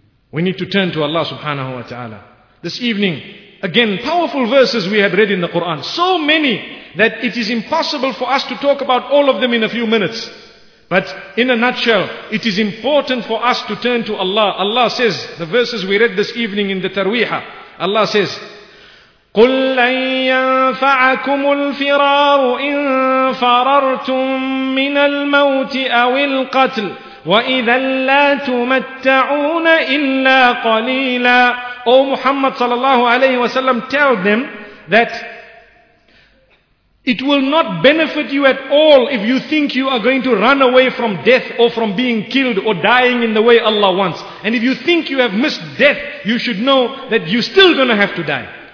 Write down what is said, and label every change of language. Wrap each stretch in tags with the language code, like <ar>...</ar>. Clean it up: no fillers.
<en>We need to turn to Allah subhanahu wa ta'ala. This evening, again, powerful verses we had read in the Quran. So many that it is impossible for us to talk about all of them in a few minutes. But in a nutshell, it is important for us to turn to Allah. Allah says, the verses we read this evening in the Tarweeha, Allah says,</en> <ar>قُلْ لَنْ يَنْفَعَكُمُ الْفِرَارُ إِنْ فَرَرْتُمْ مِنَ الْمَوْتِ أَوِ الْقَتْلِ وَإِذَا لَا تُمَتَّعُونَ إِلَّا قَلِيلًا.</ar> <en>O Muhammad sallallahu alayhi wa sallam, tell them that it will not benefit you at all if you think you are going to run away from death or from being killed or dying in the way Allah wants. And if you think you have missed death, you should know that you're still going to have to die.</en>